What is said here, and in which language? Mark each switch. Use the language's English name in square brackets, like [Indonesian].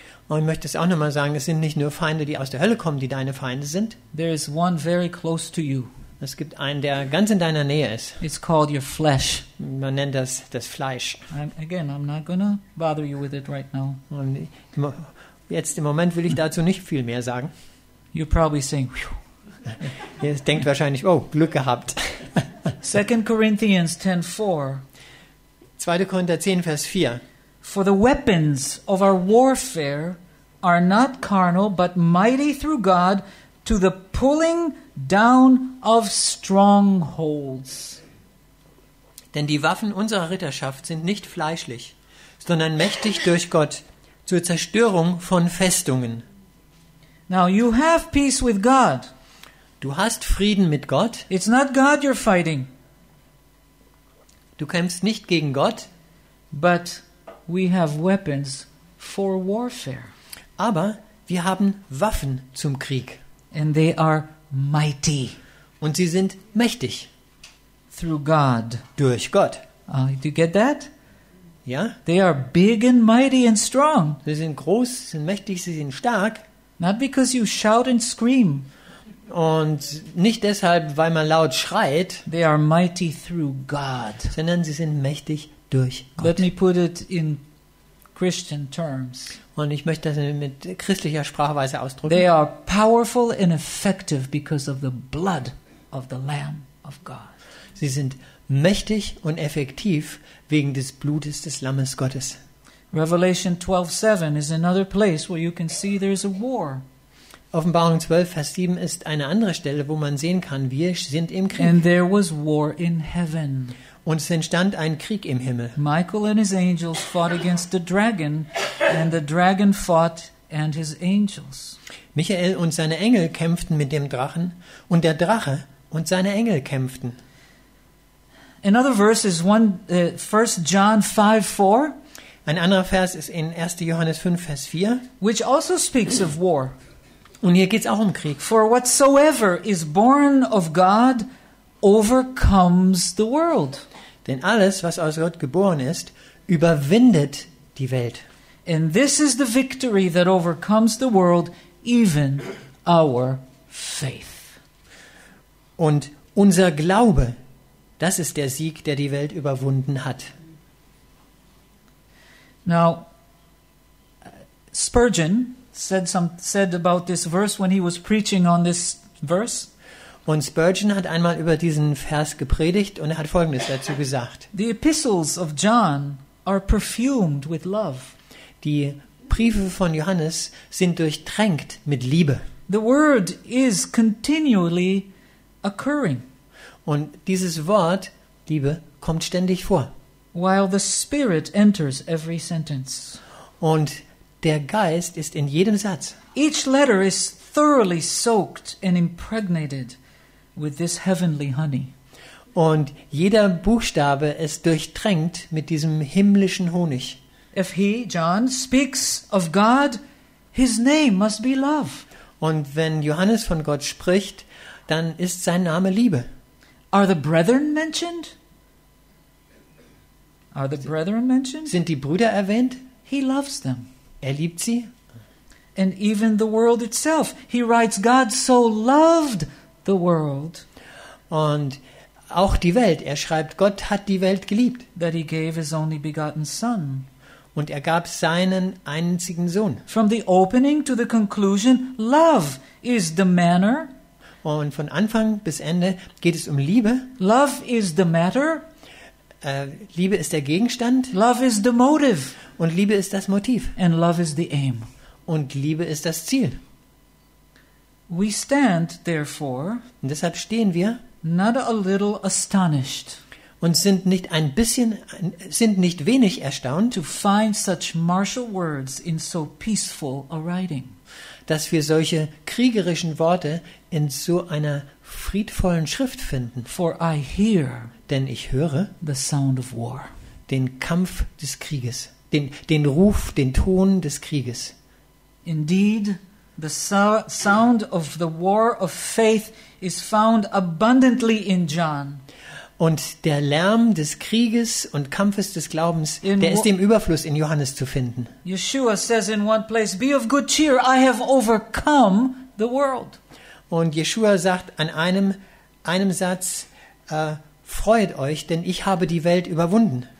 [German] Und ich möchte es auch nochmal sagen, es sind nicht nur Feinde, die aus der Hölle kommen, die deine Feinde sind. [English] There is one very close to you. [German] Es gibt einen, der ganz in deiner Nähe ist. [English] It's called your flesh. [German] Man nennt das Fleisch. [English] I'm not gonna bother you with it right now. [German] Und jetzt im Moment will ich dazu nicht viel mehr sagen. [English] You're probably saying, [German] ihr denkt wahrscheinlich, oh, Glück gehabt. [English] 2 Corinthians 10:4. [German] 2. Korinther 10, Vers 4. [English] For the weapons of our warfare are not carnal, but mighty through God to the pulling down of strongholds. [German] Denn die Waffen unserer Ritterschaft sind nicht fleischlich, sondern mächtig durch Gott zur Zerstörung von Festungen. [English] Now you have peace with God. [German] Du hast Frieden mit Gott. [English] It's not God you're fighting. [German] Du kämpfst nicht gegen Gott, [English] but we have weapons for warfare. [German] Aber wir haben Waffen zum Krieg. [English] And they are mighty. [German] Und sie sind mächtig. [English] Through God. [German] Durch Gott. [English] Do you get that? [German] Ja. [English] They are big and mighty and strong. [German] Sie sind groß, sind mächtig, sie sind stark. [English] Not because you shout and scream. [German] Und nicht deshalb, weil man laut schreit. [English] They are mighty through God. [German] Sondern sie sind mächtig durch Gott. [English] Let me put it in Christian terms. [German] Und ich möchte das mit christlicher Sprachweise ausdrücken. [English] They are powerful and effective because of the blood of the Lamb of God. [German] Sie sind mächtig und effektiv wegen des Blutes des Lammes Gottes. [English] Revelation 12:7 is another place where you can see there is a war. [German] Offenbarung 12, Vers 7 ist eine andere Stelle, wo man sehen kann, wir sind im Krieg. [English] And there was war in heaven. [German] Und es entstand ein Krieg im Himmel. [English] Michael and his angels fought against the dragon, and the dragon fought and his angels. [German] Michael und seine Engel kämpften mit dem Drachen, und der Drache und seine Engel kämpften. [English] Another verse is 1 John 5:4. [German] Ein anderer Vers ist in 1. Johannes 5, Vers 4. [English] Which also speaks of war. [German] Und hier geht's auch um Krieg. [English] For whatsoever is born of God overcomes the world. [German] Denn alles, was aus Gott geboren ist, überwindet die Welt. [English] And this is the victory that overcomes the world, even our faith. [German] Und unser Glaube, das ist der Sieg, der die Welt überwunden hat. [English] Now, Spurgeon said about this verse when he was preaching on this verse. [German] Und Spurgeon hat einmal über diesen Vers gepredigt und er hat Folgendes dazu gesagt. [English] The epistles of John are perfumed with love. [German] Die Briefe von Johannes sind durchtränkt mit Liebe. [English] The word is continually occurring. [German] Und dieses Wort Liebe kommt ständig vor. [English] While the Spirit enters every sentence. [German] Und der Geist ist in jedem Satz. [English] Each letter is thoroughly soaked and impregnated with this heavenly honey. [German] Und jeder Buchstabe ist durchtränkt mit diesem himmlischen Honig. [English] If he, John, speaks of God, his name must be love. [German] Und wenn Johannes von Gott spricht, dann ist sein Name Liebe. [English] Are the brethren mentioned? Are the brethren mentioned? [German] Sind die Brüder erwähnt? [English] He loves them. [German] Er liebt sie. [English] And even the world itself. He writes, God so loved the world. [German] Und auch die Welt. Er schreibt, Gott hat die Welt geliebt. [English] That he gave his only begotten son. [German] Und er gab seinen einzigen Sohn. [English] From the opening to the conclusion, love is the manner. [German] Und von Anfang bis Ende geht es um Liebe. [English] Love is the matter. [German] Liebe ist der Gegenstand. [English] Love is the motive. [German] Und Liebe ist das Motiv. [English] And love is the aim. [German] Und Liebe ist das Ziel. [English] We stand therefore. [German] Und deshalb stehen wir. [English] Not a little astonished. [German] Und sind nicht ein bisschen, sind nicht wenig erstaunt. [English] To find such martial words in so peaceful a writing. [German] Dass wir solche kriegerischen Worte in so einer friedvollen Schrift finden. [English] For I hear, [German] denn ich höre, [English] the sound of war, [German] den Kampf des Krieges, den Ruf, den Ton des Krieges. [English] Indeed, the sound of the war of faith is found abundantly in John. [German] Und der Lärm des Krieges und Kampfes des Glaubens, der ist im Überfluss in Johannes zu finden. [English] Yeshua says in one place, be of good cheer, I have overcome the world. [German] Und Yeshua sagt an einem Satz, freut euch, denn ich habe die Welt überwunden.